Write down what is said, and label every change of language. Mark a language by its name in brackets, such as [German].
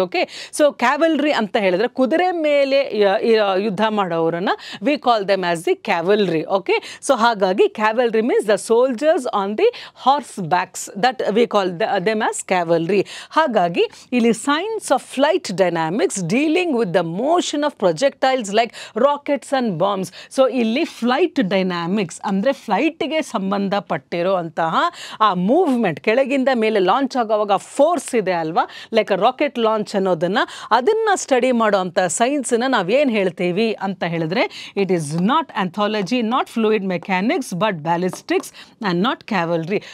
[Kannada] Okay, so ಕ್ಯಾವಲ್ರಿ ಅಂತ ಹೇಳಿದ್ರೆ ಕುದುರೆ ಮೇಲೆ ಯುದ್ಧ ಮಾಡೋರನ್ನು [English] We call them as the cavalry. Okay, so ಹಾಗಾಗಿ cavalry means the soldiers on the horse backs, that we call them as cavalry. [Kannada] ಹಾಗಾಗಿ ಇಲ್ಲಿ [English] Science of flight dynamic dynamics dealing with the motion of projectiles like rockets and bombs. [Kannada] So ಇಲ್ಲಿ flight dynamics ಅಂದರೆ ಫ್ಲೈಟ್ಗೆ ಸಂಬಂಧಪಟ್ಟಿರೋ ಅಂತಹ ಆ movement, ಕೆಳಗಿಂದ ಮೇಲೆ launch ಆಗೋವಾಗ force ಇದೆ ಅಲ್ವಾ, ಲೈಕ್ ರಾಕೆಟ್ ಲಾಂಚ್ ಅನ್ನೋದನ್ನು, ಅದನ್ನು ಸ್ಟಡಿ ಮಾಡೋ ಅಂಥ ಸೈನ್ಸನ್ನು ನಾವೇನು ಹೇಳ್ತೀವಿ ಅಂತ ಹೇಳಿದ್ರೆ, [English] It is not anthology, not fluid mechanics, but ballistics and not cavalry.